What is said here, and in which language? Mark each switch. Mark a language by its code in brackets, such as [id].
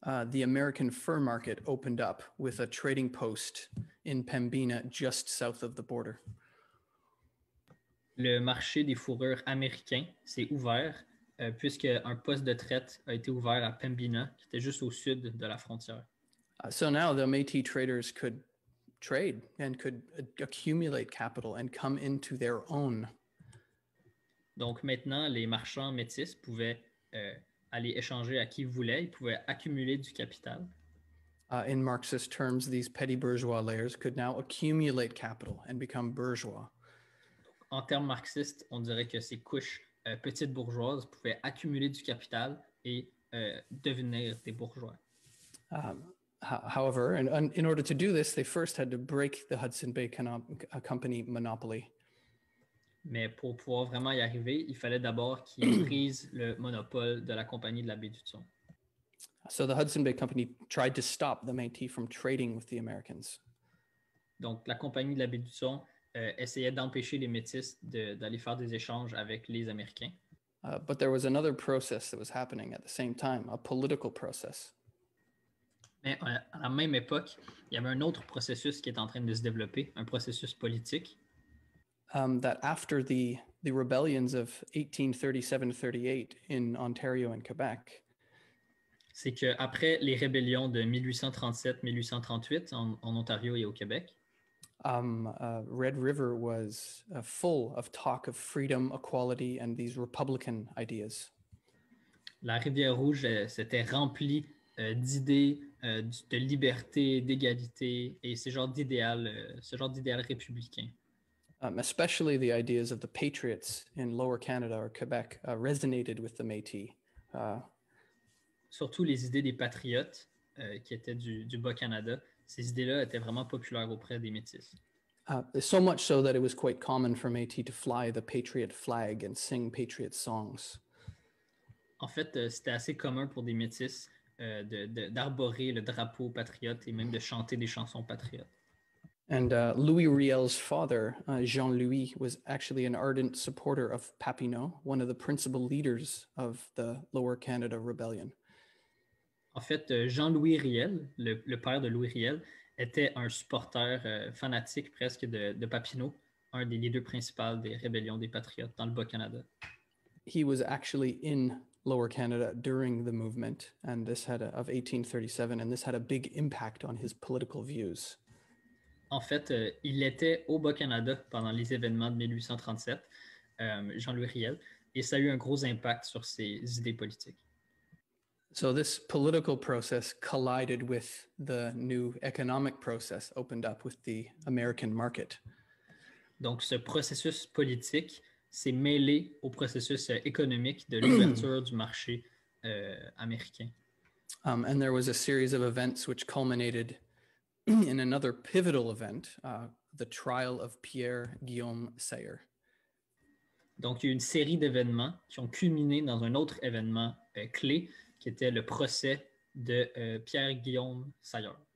[en] The American fur market opened up with a trading post in Pembina, just south of the border. [fr] Le marché des fourrures américains s'est ouvert puisque un poste de traite a été ouvert à Pembina, qui était juste au sud de la frontière. [en] So now the Métis traders could trade and could accumulate capital and come into their own. [fr] Donc maintenant, les marchands métis pouvaient aller échanger à qui ils voulaient, ils pouvaient accumuler du capital. [en] In Marxist terms, these petty bourgeois layers could now accumulate capital and become bourgeois. [fr] en termes marxistes, on dirait que ces couches petites bourgeoises pouvaient accumuler du capital et devenir des bourgeois. [en] However, in order to do this, they first had to break the Hudson Bay Company monopoly. [fr] Mais pour pouvoir vraiment y arriver, il fallait d'abord qu'ils brisent le monopole de la compagnie de la baie du Thon. [en] So the Hudson Bay Company tried to stop the Métis from trading with the Americans. [fr] Donc la compagnie de la baie du Thon essayait d'empêcher les Métis d'aller faire des échanges avec les Américains. [en] But there was another process that was happening at the same time, a political process. [fr] Mais à la même époque, il y avait un autre processus qui est en train de se développer, un processus politique. [en] That after the rebellions of 1837-38 in Ontario and Quebec, [fr] c'est que après les rébellions de 1837-1838 en Ontario et au Québec, [en] Red River was full of talk of freedom, equality, and these republican ideas. [fr] La Rivière Rouge s'était remplie d'idées de liberté, d'égalité et ce genre d'idéal républicain. [en] Especially the ideas of the patriots in Lower Canada or Quebec resonated with the Métis. [fr] Surtout les idées des patriotes qui étaient du Bas-Canada, ces idées-là étaient vraiment populaires auprès des Métis. [en] So much so that it was quite common for Métis to fly the patriot flag and sing patriot songs. [fr] En fait, c'était assez commun pour des Métis d'arborer le drapeau patriote et même de chanter des chansons patriotes. [en] And Louis Riel's father, Jean-Louis, was actually an ardent supporter of Papineau, one of the principal leaders of the Lower Canada Rebellion. [fr] En fait, Jean-Louis Riel, le père de Louis Riel, était un supporter fanatique presque de Papineau, un des leaders principaux des rébellions des Patriotes dans le Bas-Canada. [en] He was actually in Lower Canada during the movement and this had of 1837, and this had a big impact on his political views. [fr] En fait, il était au Bas-Canada pendant les événements de 1837, Jean-Louis Riel, et ça a eu un gros impact sur ses idées politiques. [en] So this political process collided with the new economic process opened up with the American market. [fr] Donc ce processus politique s'est mêlé au processus économique de l'ouverture du marché américain. [en] And there was a series of events which culminated in another pivotal event, the trial of Pierre Guillaume Sayer. [fr] Donc il y a une série d'événements qui ont culminé dans un autre événement clé qui était le procès de Pierre Guillaume Sayer.